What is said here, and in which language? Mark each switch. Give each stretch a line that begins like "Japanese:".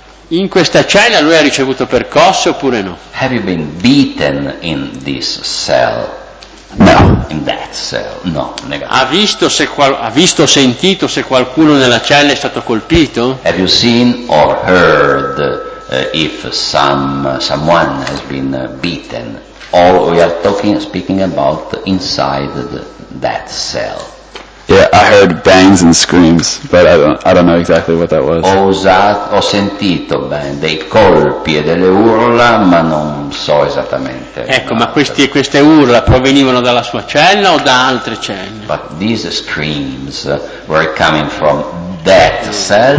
Italian: In questa cella lui ha ricevuto percosse oppure no?
English: Have you been beaten in this cell? No, in that cell. No, negativo.
Italian: Ha visto o sentito se qualcuno nella cella è stato colpito?
English: Have you seen or heard if someone has been beaten? Or we are speaking about inside that cell. Yeah, I heard bangs and screams, but I don't know exactly what that was.
Italian: Ho sentito dei colpi e delle urla, ma non so esattamente. Ecco, ma queste urla provenivano dalla sua cella o da altre celle?
English: But these screams were coming from that cell?